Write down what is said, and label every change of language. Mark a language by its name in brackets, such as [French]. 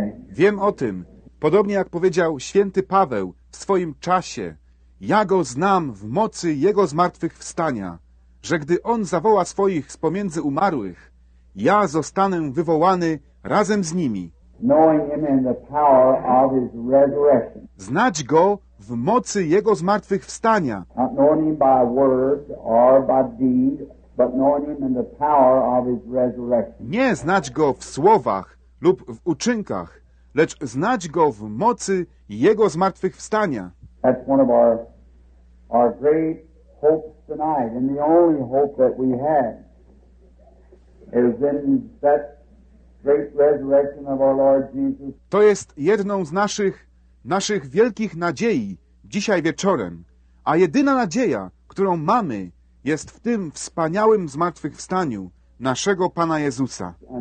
[Polish] Wiem o tym, podobnie jak powiedział święty Paweł w swoim czasie, ja go znam w mocy jego zmartwychwstania, że gdy on zawoła swoich z pomiędzy umarłych, ja zostanę wywołany razem z nimi. [English] Knowing him in the power of his resurrection. [Polish] Znać go w mocy jego zmartwychwstania. [English] Not knowing him by word or by deed. But knowing him in the power of his resurrection. [Polish] Nie znać go w słowach lub w uczynkach, lecz znać go w mocy jego zmartwychwstania. [English] That's one of our great hopes tonight, and the only hope that we had is in that great resurrection of our Lord Jesus. [Polish] To jest jedną z naszych wielkich nadziei dzisiaj wieczorem, a jedyna nadzieja, którą mamy, jest w tym wspaniałym zmartwychwstaniu naszego Pana Jezusa.